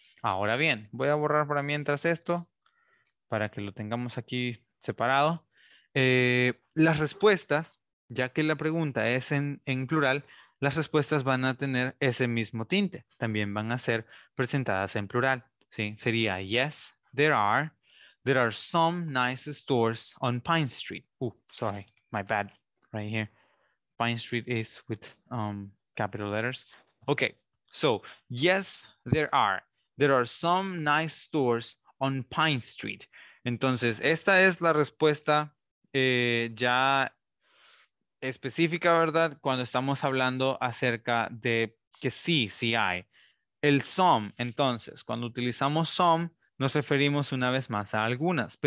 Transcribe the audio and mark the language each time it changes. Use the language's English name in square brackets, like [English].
[Spanish] Ahora bien, voy a borrar para mientras esto, para que lo tengamos aquí separado. Las respuestas, ya que la pregunta es en plural, las respuestas van a tener ese mismo tinte. También van a ser presentadas en plural. ¿Sí? Sería, [English] yes, there are. There are some nice stores on Pine Street. Sorry, my bad, right here. Pine Street is with capital letters. Okay, so yes, there are. There are some nice stores on Pine Street. [Spanish] Entonces, esta es la respuesta ya específica, ¿verdad? Cuando estamos hablando acerca de que sí, sí hay. El some, entonces, cuando utilizamos some, nos referimos una vez más a algunas.